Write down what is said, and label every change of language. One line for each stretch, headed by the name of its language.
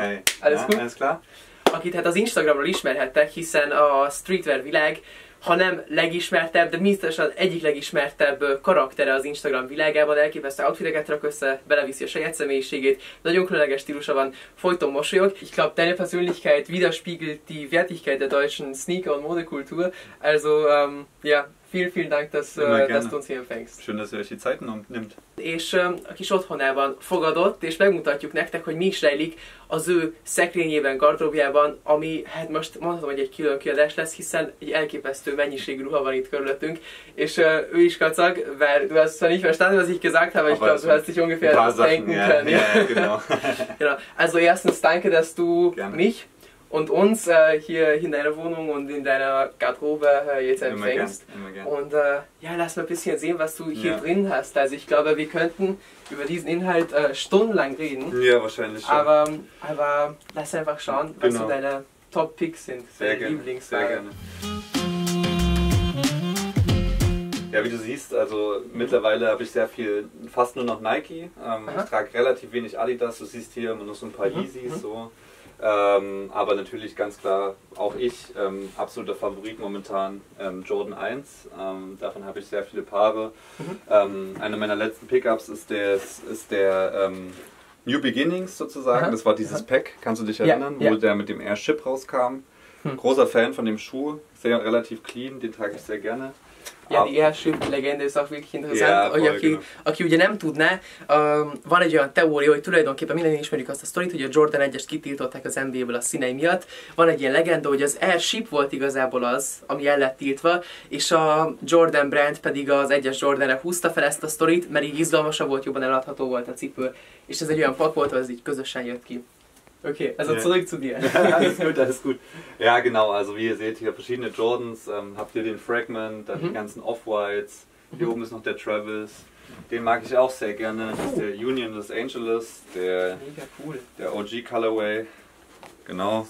German: Hey, alles gut? Alles klar?
Hungarian: Akit hát az Instagramról ismerhettek, hiszen a streetwear világ, ha nem legismertebb, de biztos az egyik legismertebb karaktere az Instagram világában, elképesztő outfiteket rak össze, beleviszi a saját személyiségét, nagyon különleges stílusa van, folyton mosolyog.
German: Ich glaube, deine Persönlichkeit widerspiegelt die Wertigkeit der deutschen Sneaker- und Modekultur. Also, ja, vielen Dank, dass du uns hier empfängst. Schön, dass ihr euch die Zeit nimmt.
Hungarian: És a kis otthonában fogadott, és megmutatjuk nektek, hogy mi is rejlik az ő szekrényében, gardróbjában, ami, hát most mondhatom, hogy egy külön kiadás lesz, hiszen egy elképesztő mennyiségű ruha van itt körülöttünk, és ő is kacag, mert
German: du hast es nicht verstanden, was ich gesagt habe, ich glaube, du hast dich ungefähr denken können. Ja, genau. Also erstens danke, dass du mich und uns hier in deiner Wohnung und in deiner Garderobe jetzt empfängst. Immer gern, immer gern. Und ja, lass mal ein bisschen sehen, was du hier drin hast. Also ich glaube, wir könnten über diesen Inhalt stundenlang reden. Ja, wahrscheinlich schon. Aber lass einfach schauen, was so deine Top-Picks sind, deine Lieblingsware. Sehr gerne. Ja, wie du siehst, also mittlerweile habe ich sehr viel, fast nur noch Nike. Ich trage relativ wenig Adidas. Du siehst hier immer nur so ein paar Yeezys so. Aber natürlich ganz klar, auch ich, absoluter Favorit momentan, Jordan 1. Davon habe ich sehr viele Paare. Einer meiner letzten Pickups ist der New Beginnings sozusagen. Aha. Das war dieses Pack, kannst du dich erinnern, wo der mit dem Airship rauskam. Großer Fan von dem Schuh, sehr relativ clean, den trage ich sehr gerne. Ja, die Airship-legende ist auch wirklich interessant,
Hungarian: hogy aki ugye nem tudná, van egy olyan teória, hogy tulajdonképpen mindenki ismerjük azt a sztorit, hogy a Jordan 1-est kitiltották az NBA-ből a színei miatt. Van egy ilyen legenda, hogy az Airship volt igazából az, ami el lett tiltva, és a Jordan brand pedig az 1-es Jordanre húzta fel ezt a sztorit, mert így izgalmasabb volt, jobban eladható volt a cipő. És ez egy olyan pak volt, hogy ez így közösen jött ki.
German: Okay, also zurück zu dir. alles gut. Ja, genau, also wie ihr seht, hier verschiedene Jordans. Habt ihr den Fragment, dann die ganzen Off-Whites. Hier oben ist noch der Travis. Den mag ich auch sehr gerne. Das ist der Union Los Angeles. Der, mega cool. Der OG Colorway. Genau.